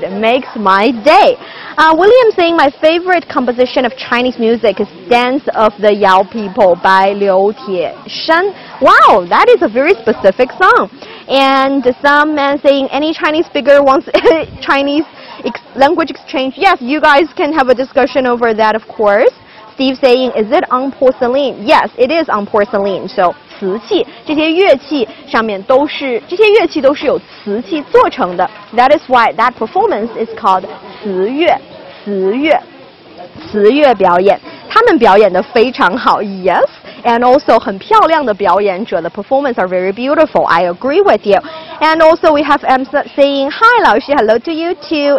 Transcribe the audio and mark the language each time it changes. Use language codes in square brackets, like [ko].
[en] It makes my day. William saying my favorite composition of Chinese music is Dance of the Yao People by Liu Tieshen. Wow, that is a very specific song. And some man saying any Chinese speaker wants Chinese language exchange. Yes, you guys can have a discussion over that, of course. Steve saying, is it on porcelain? Yes, it is on porcelain. [zh] So, 瓷器,这些乐器都是由瓷器做成的. [en] That is why that performance is called 瓷乐表演. [zh] 他们表演得非常好, yes. [en] And also, [zh] 很漂亮的表演者, [en] the performance are very beautiful. I agree with you. And also, we have M saying, hi, 老师, hello to you too.